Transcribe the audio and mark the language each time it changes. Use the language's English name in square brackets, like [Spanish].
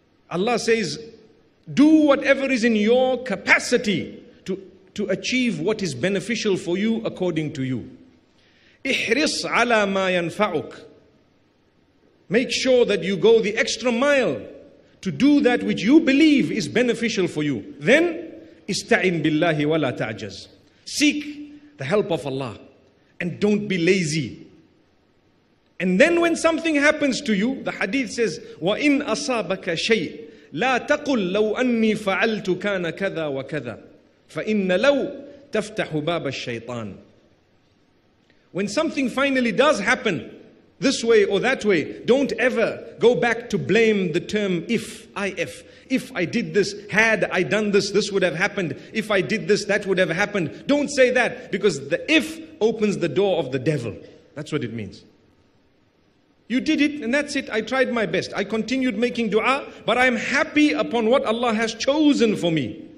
[English] Allah says, do whatever is in your capacity to achieve what is beneficial for you according to you. [Arabic] احرص على ما ينفعك. [English] Make sure that you go the extra mile to do that which you believe is beneficial for you. Then [Arabic] استعن بالله ولا تعجز. [English] Seek the help of Allah and don't be lazy. And then when something happens to you, the hadith says, [Arabic] وَإِنْ أَصَابَكَ شَيْءٍ لَا تَقُلْ لَوْ أَنِّي فَعَلْتُ كَانَ كَذَا وَكَذَا فَإِنَّ لَوْ تَفْتَحُ بَابَ الشَّيْطَانِ. [English] When something finally does happen, this way or that way. Don't ever go back to blame the term if. If I did this, had I done this, this would have happened. If I did this, that would have happened. Don't say that, because the if opens the door of the devil. That's what it means. You did it and that's it. I tried my best. I continued making dua, but I'm happy upon what Allah has chosen for me.